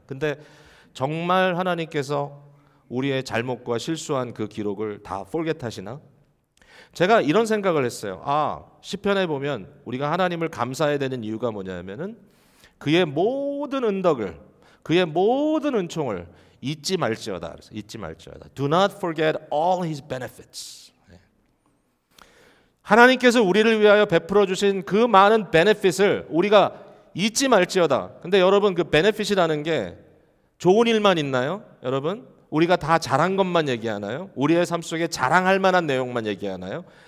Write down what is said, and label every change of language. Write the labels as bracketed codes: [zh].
[ko] 근데 정말 하나님께서 우리의 잘못과 실수한 그 기록을 다 forget 하시나? 제가 이런 생각을 했어요. 아, 시편에 보면 우리가 하나님을 감사해야 되는 이유가 뭐냐면은 그의 모든 은덕을, 그의 모든 은총을 잊지 말지어다. 그래서 잊지 말지어다. [en] Do not forget all his benefits. [ko] 하나님께서 우리를 위하여 베풀어 주신 그 많은 베네핏을 우리가 잊지 말지어다. 근데 여러분, 그 베네핏이라는 게 좋은 일만 있나요? 여러분, 우리가 다 잘한 것만 얘기하나요? 우리의 삶 속에 자랑할 만한 내용만 얘기하나요?